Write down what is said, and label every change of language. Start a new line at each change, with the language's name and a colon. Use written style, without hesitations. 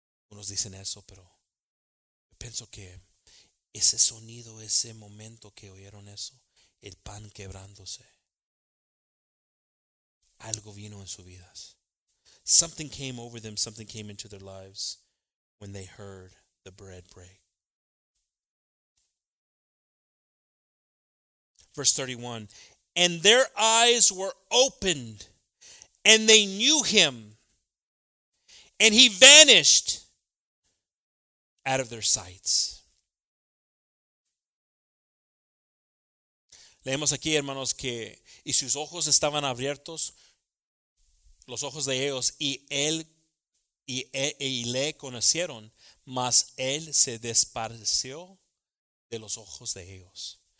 Spanish: Unos dicen eso, pero yo pienso que ese sonido, ese momento que oyeron eso, el pan quebrándose, algo vino en sus vidas.
English: Something came over them, something came into their lives when they heard the bread break. Verse 31, and their eyes were opened, and they knew him, and he vanished out of their sights.
Spanish: Leemos aquí, hermanos, que y sus ojos estaban abiertos, los ojos de ellos, y él y le conocieron, mas él se desapareció de los ojos de ellos.